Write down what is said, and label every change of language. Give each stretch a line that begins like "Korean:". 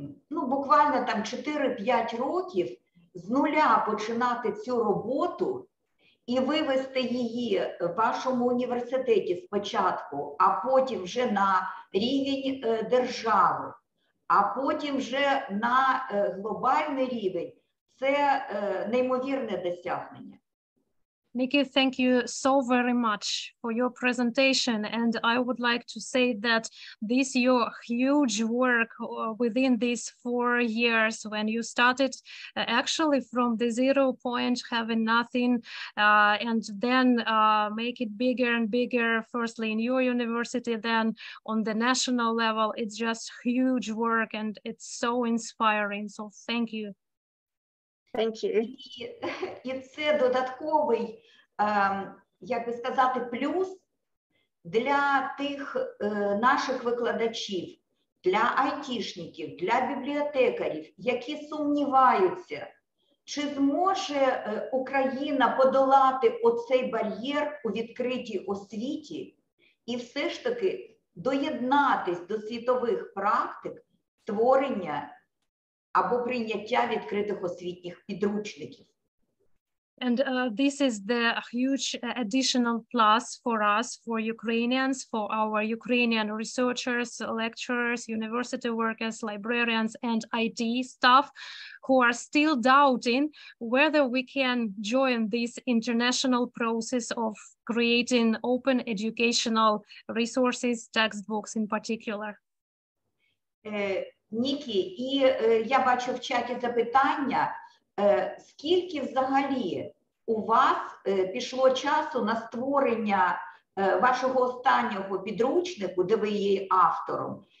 Ukrainian: ну, буквально там 4-5 років, з нуля починати цю роботу і вивести її в вашому університеті спочатку, а потім вже на рівень держави, а потім вже на глобальний рівень, це неймовірне досягнення.
English: Nikki, thank you so very much for your presentation, and I would like to say that this your huge work within these 4 years when you started actually from the zero point, having nothing, and then make it bigger and bigger, firstly in your university, then on the national level, it's just huge work and it's so inspiring. So thank you. Thank you. Thank you.
Ukrainian: І це додатковий, як би сказати, плюс для тих наших викладачів, для айтішників, для бібліотекарів, які сумніваються, чи зможе Україна подолати оцей бар'єр у відкритій освіті і все ж таки доєднатись до світових практик створення або прийняття відкритих освітніх підручників.
English: And this is the huge additional plus for us, for Ukrainians, for our Ukrainian researchers, lecturers, university workers, librarians, and IT staff who are still doubting whether we can join this international process of creating open educational resources, textbooks in particular.
Ukrainian: Ніки, і я бачу в чаті запитання, скільки взагалі у вас пішло часу на створення вашого останнього підручнику, де ви є автором?